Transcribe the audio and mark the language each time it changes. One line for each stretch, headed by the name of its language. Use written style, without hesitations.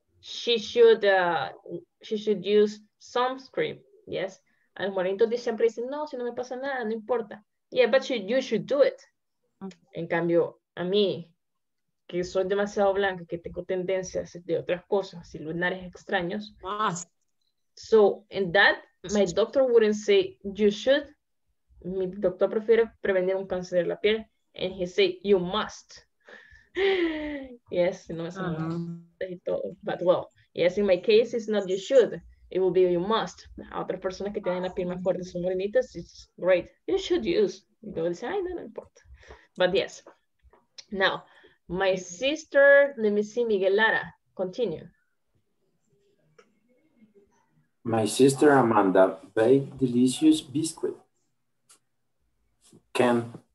English: She should use sunscreen. Yes.
Spanish: A los morenitos siempre dicen, no, si no me pasa nada, no importa.
English: Yeah, but you should do it.
Spanish: En cambio, a mí, que soy demasiado blanca, que tengo tendencias de otras cosas y lunares extraños.
English: So, in that, my doctor wouldn't say, you should.
Spanish: Mi doctor prefiere prevenir un cáncer de la piel.
English: And he say, you must. Yes,
Spanish: no me sale
English: But well, yes, in my case, it's not you should. It will be you must.
Spanish: Otras personas que tienen la piel más fuerte son morenitas.
English: It's great. You should use.
Spanish: Y luego dice, ay, no, no importa.
English: But yes. Now, my sister, let me see, Miguel Lara. Continue. My sister Amanda baked delicious biscuit. Can.